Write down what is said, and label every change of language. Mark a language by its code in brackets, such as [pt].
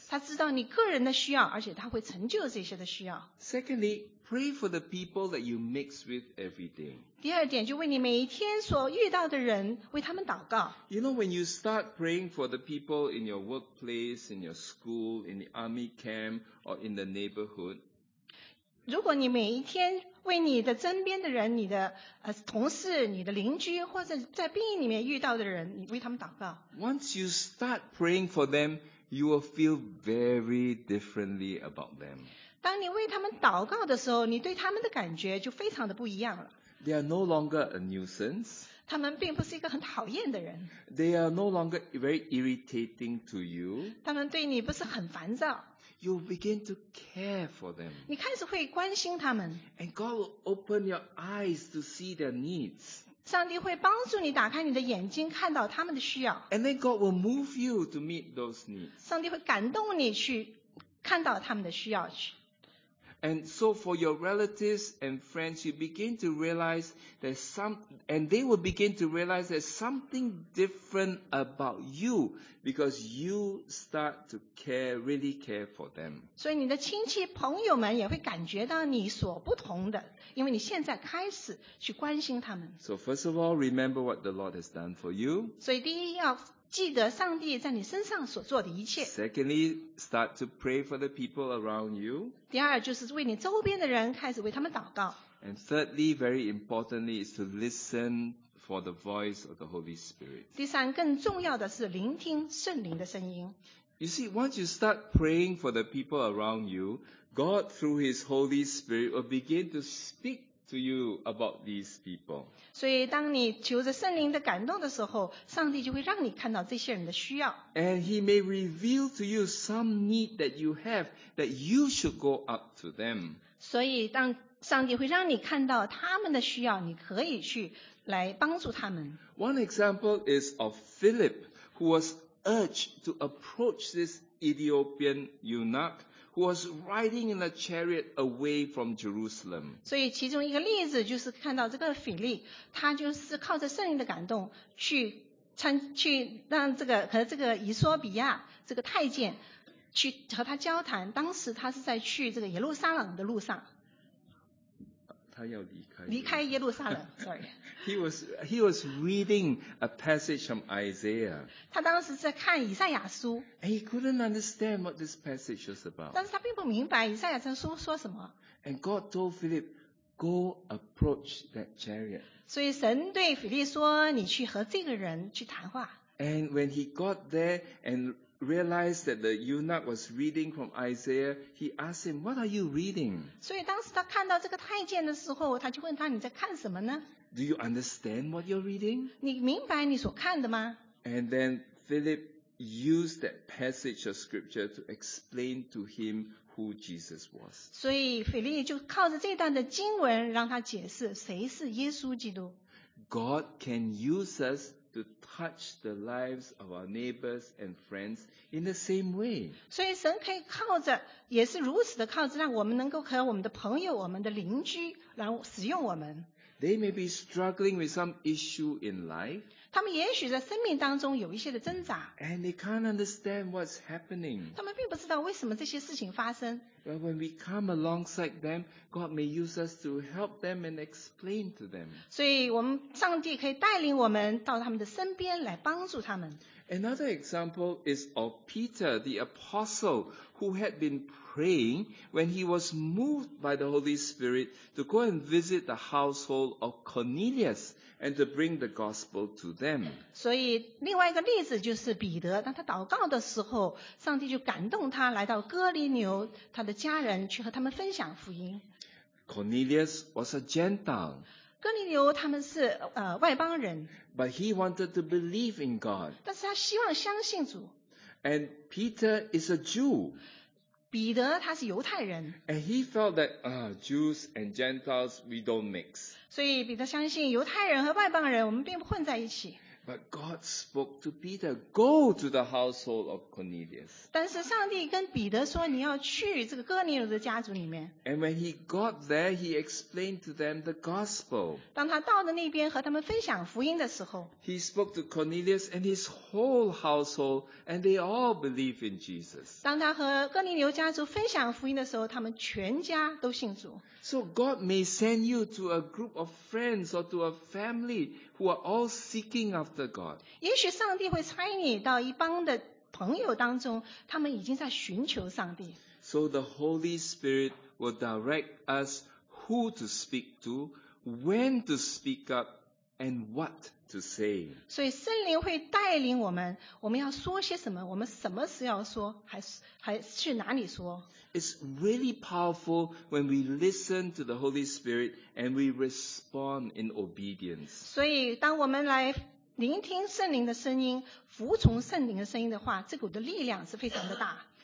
[zh] 他知道你个人的需要，而且他会成就这些的需要。 [en] Secondly,Pray for the people that you mix with every day. [zh] 第二点，就为你每一天所遇到的人，为他们祷告。 [en] You know, when you start praying for the people in your workplace, in your school, in the army camp, or in the neighborhood, [zh] 如果你每一天为你的身边的人，你的同事，你的邻居，或者在病院里面遇到的人，你为他们祷告。 [en] Once you start praying for them, you will feel very differently about them. [zh] 当你为他们祷告的时候，你对他们的感觉就非常的不一样了。 [en] They are no longer a nuisance. [zh] 他们并不是一个很讨厌的人。 [en] They are no longer very irritating to you. [zh] 他们对你不是很烦躁。 [en] You begin to care for them. [zh] 你开始会关心他们。 [en] And God will open your eyes to see their needs. [zh] 上帝会帮助你打开你的眼睛，看到他们的需要。 [en] And then God will move you to meet those needs. [zh] 上帝会感动你去看到他们的需要去。 [en] And so for your relatives and friends, you begin to realize and they will begin to realize there's something different about you because you start to really care for them. [zh] 所以你的亲戚朋友们也会感觉到你所不同的，因为你现在开始去关心他们。 [en] So first of all, remember what the Lord has done for you. [zh] 所以第一要记得上帝在你身上所做的一切。 [en] Secondly, start to pray for the people around you. [zh] 第二就是为你周边的人开始为他们祷告。 [en] And thirdly, very importantly, is to listen for the voice of the Holy Spirit. [zh] 第三更重要的是聆听圣灵的声音。 [en] You see, once you start praying for the people around you, God through His Holy Spirit will begin to speak to you about these people. [zh] 所以当你求着圣灵的感动的时候，上帝就会让你看到这些人的需要。 [en] And he may reveal to you some need that you have that you should go up to them. [zh] 所以当上帝会让你看到他们的需要，你可以去来帮助他们。 [en] One example is of Philip, who was urged to approach this Ethiopian eunuch. Who was riding in a chariot away from Jerusalem. [zh] 所以其中一个例子就是看到这个腓力，他就是靠着圣灵的感动去参去让这个和这个以索比亚这个太监去和他交谈。当时他是在去这个耶路撒冷的路上。他要离开。离开耶路撒冷， [en] sorry. He was reading a passage from Isaiah. [zh] 他当时在看以赛亚书。 [en] And he couldn't understand what this passage was about. [zh] 但是他并不明白以赛亚书说什么。 [en] And God told Philip, go approach that chariot. [zh] 所以神对腓力说，你去和这个人去谈话。 [en] And when he got there and realized that the eunuch was reading from Isaiah, he asked him, what are you reading? [zh] 所以当时他看到这个太监的时候，他就问他，你在看什么呢？ [en] Do you understand what you're reading? [zh] 你明白你所看的吗？ [en] And then Philip used that passage of scripture to explain to him who Jesus was. [zh] 所以腓力就靠着这段的经文让他解释谁是耶稣基督。 [en] God can use us to touch the lives of our neighbors and friends in the same way. [zh] 所以神可以靠着，也是如此的靠着，让我们能够和我们的朋友，我们的邻居来使用我们。 [en] They may be struggling with some issue in life. [zh] 他们也许在生命当中有一些的挣扎。 [en] And they can't understand what's happening. [zh] 他们并不知道为什么这些事情发生。 [en] But when we come alongside them, God may use us to help them and explain to them. [zh] 所以我们上帝可以带领我们到他们的身边来帮助他们。 [en] Another example is of Peter, the apostle, who had been praying when he was moved by the Holy Spirit to go and visit the household of Cornelius and to bring the gospel to them. [zh] 所以另外一个例子就是彼得，当他祷告的时候，上帝就感动他来到哥尼流他的家人去和他们分享福音。 [en] Cornelius was a Gentile. [zh] 哥尼流他们是外邦人。 [en] But he wanted to believe in God. [zh] 但是他希望相信主。 [en] And Peter is a Jew. [zh] 彼得他是犹太人。 [en] And he felt that, Jews and Gentiles, we don't mix. [zh] 所以彼得相信犹太人和外邦人我们并不混在一起。 [en] But God spoke to Peter, go to the household of Cornelius. [zh] 但是上帝跟彼得说你要去这个哥尼流的家族里面。 [en] And when he got there, he explained to them the gospel. [zh] 当他到了那边和他们分享福音的时候。 [en] He spoke to Cornelius and his whole household, and they all believed in Jesus. [zh] 当他和哥尼流家族分享福音的时候，他们全家都信主。 [en] So God may send you to a group of friends or to a family who are all seeking after God. [zh] 也许上帝会差你到一帮的朋友当中，他们已经在寻求上帝。 [en] So the Holy Spirit will direct us who to speak to, when to speak up, and what to say. [zh] 所以圣灵会带领我们，我们要说些什么，我们什么时要说，还去哪里说。 [en] It's really powerful when we listen to the Holy Spirit and we respond in obedience. [zh] 所以当我们来聆听圣灵的声音，服从圣灵的声音的话，这股的力量是非常的大。